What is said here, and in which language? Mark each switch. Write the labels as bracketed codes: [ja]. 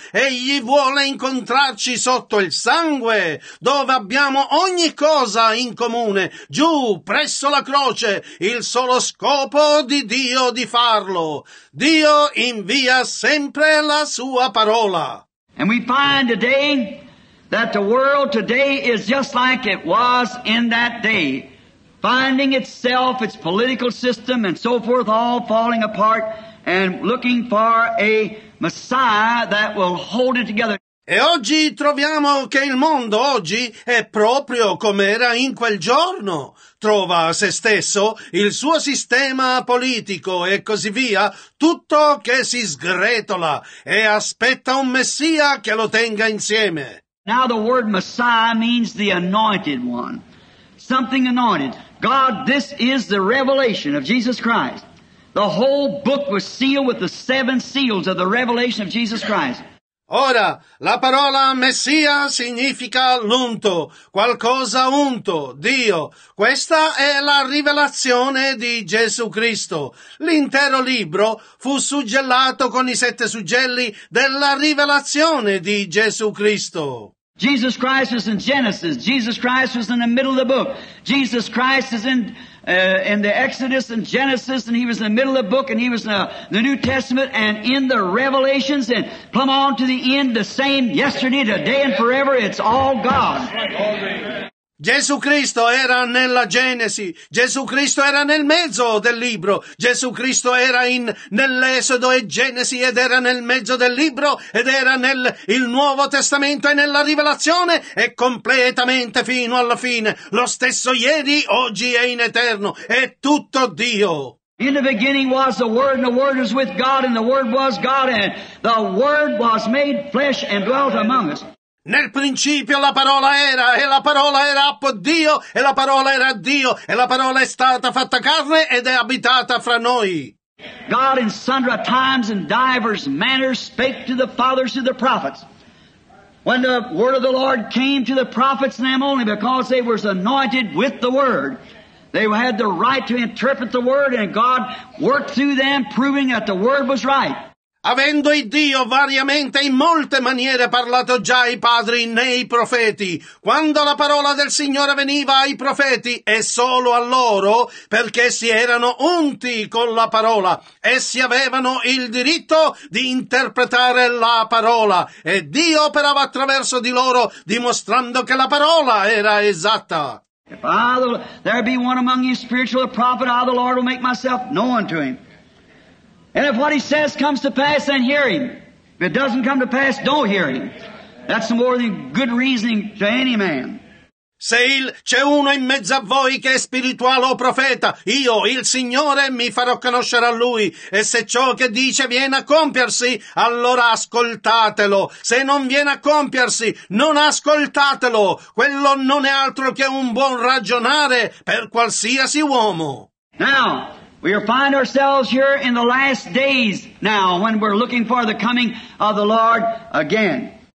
[it] Egli vuole incontrarci sotto il sangue, dove abbiamo ogni cosa in comune, giù, presso la croce, il solo scopo di Dio di farlo. Dio invia sempre la sua parola. [en] And we find today that the world today is just like it was in that day, finding itself, its political system and so forth, all falling apart and looking for a Messiah that will hold it together. [it] E oggi troviamo che il mondo oggi è proprio come era in quel giorno. Trova se stesso, il suo sistema politico e così via, tutto che si sgretola, e aspetta un Messia che lo tenga insieme. [en] Now the word Messiah means the anointed one. Something anointed. God, this is the revelation of Jesus Christ. The whole book was sealed with the seven seals of the revelation of Jesus Christ. [it] Ora, la parola Messia significa l'unto, qualcosa unto, Dio. Questa è la rivelazione di Gesù Cristo. L'intero libro fu suggellato con i sette suggelli della rivelazione di Gesù Cristo. [en] Jesus Christ was in Genesis. Jesus Christ was in the middle of the book. Jesus Christ is in the Exodus and Genesis, and he was in the middle of the book, and he was in the New Testament, and in the Revelations, and plumb on to the end, the same yesterday, today, and forever. It's all God. [it] Gesù Cristo era nella Genesi, Gesù Cristo era nel mezzo del libro, Gesù Cristo era nell'Esodo e Genesi, ed era nel mezzo del libro, ed era nel il Nuovo Testamento e nella Rivelazione, e completamente fino alla fine, lo stesso ieri, oggi e in eterno, è tutto Dio. [en] In the beginning was the Word, and the Word was with God, and the Word was God, and the Word was made flesh and dwelt among us. [it] Nel principio la parola era, e la parola era appo Dio, e la parola era Dio, e la parola è stata fatta carne ed è abitata fra noi. [en] God in sundry times and divers manners spake to the fathers of the prophets. When the word of the Lord came to the prophets, them only because they were anointed with the word. They had the right to interpret the word, and God worked through them, proving that the word was right. [it] Avendo il Dio variamente in molte maniere parlato già ai padri nei profeti, quando la parola del Signore veniva ai profeti e solo a loro, perché si erano unti con la parola, essi avevano il diritto di interpretare la parola, e Dio operava attraverso di loro dimostrando che la parola era esatta. [en] If there be one among you spiritual prophet, I the Lord will make myself known to him. And if what he says comes to pass, then hear him. If it doesn't come to pass, don't hear him. That's more than good reasoning to any man. [it] Se c'è uno in mezzo a voi che è spirituale o profeta, io, il Signore, mi farò conoscere a lui. E se ciò che dice viene a compiersi, allora ascoltatelo. Se non viene a compiersi, non ascoltatelo. Quello non è altro che un buon ragionare per qualsiasi uomo. [en] Now, we find ourselves here in the last days now when we're looking for the coming of the Lord again.